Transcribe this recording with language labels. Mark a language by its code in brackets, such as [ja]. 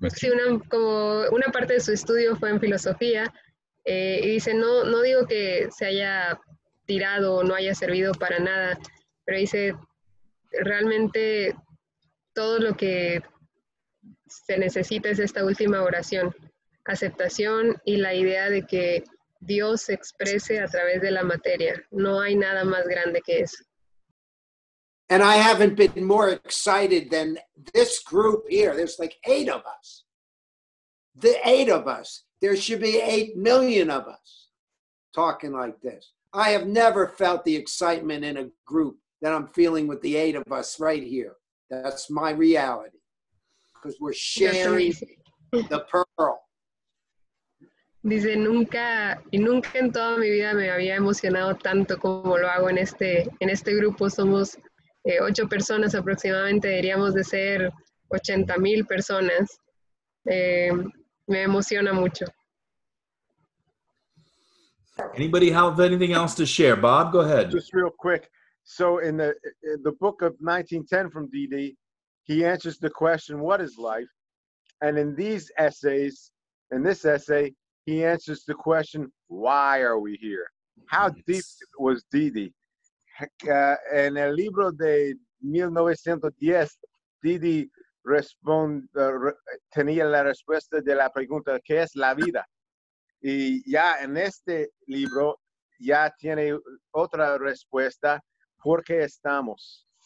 [es] sí, una, como una parte de su estudio fue en filosofía, y dice, no digo que se haya tirado o no haya servido para nada, pero dice, realmente todo lo que se necesita es esta última oración. Aceptación y la idea de que Dios se exprese a través de la materia. No hay nada más grande que eso. [en] And I haven't been more excited than this group here. There's like 8 of us. The 8 of us. There should be 8 million of us talking like this. I have never felt the excitement in a group that I'm feeling with the 8 of us right here. That's my reality. Because we're sharing the pearl. [es] Dice, nunca en toda mi vida me había emocionado tanto como lo hago en este grupo. Somos 8 personas aproximadamente, diríamos de ser 80,000 personas. Me emociona mucho. [en] Anybody have anything else to share? Bob, go ahead. Just real quick. So in the book of 1910 from D.D., he answers the question, what is life? And in this essay, he answers the question, why are we here? How deep was Didi? [es] En el libro de 1910, Didi tenía la respuesta de la pregunta, ¿qué es la vida? Y ya en este libro, ya tiene otra respuesta, ¿por qué estamos?